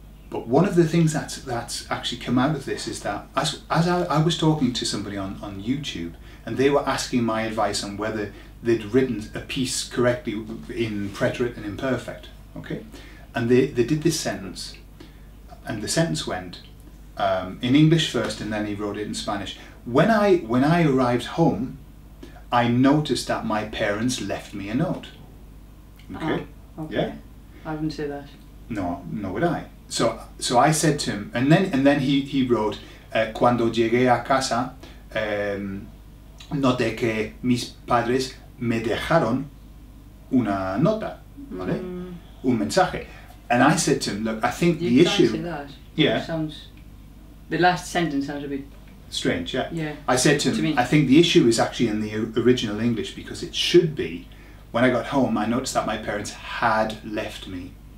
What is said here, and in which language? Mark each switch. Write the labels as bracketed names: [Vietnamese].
[English] But one of the things that's actually come out of this is that as I was talking to somebody on YouTube, and they were asking my advice on whether they'd written a piece correctly in preterite and imperfect, okay? And they did this sentence, and the sentence went in English first, and then he wrote it in Spanish. When I arrived home, I noticed that my parents left me a note. Okay? Yeah? I wouldn't say that. No, nor would I. So I said to him, and then he wrote, [Spanish] cuando llegué a casa, noté que mis padres me dejaron una nota, [English] ¿vale? [Spanish] Mm. Un mensaje. [English] And I said to him, look, I think you the issue... You can't say that. Yeah. The last sentence sounds a bit... strange, yeah. Yeah. I said to him, I think the issue is actually in the original English, because it should be, when I got home, I noticed that my parents had left me.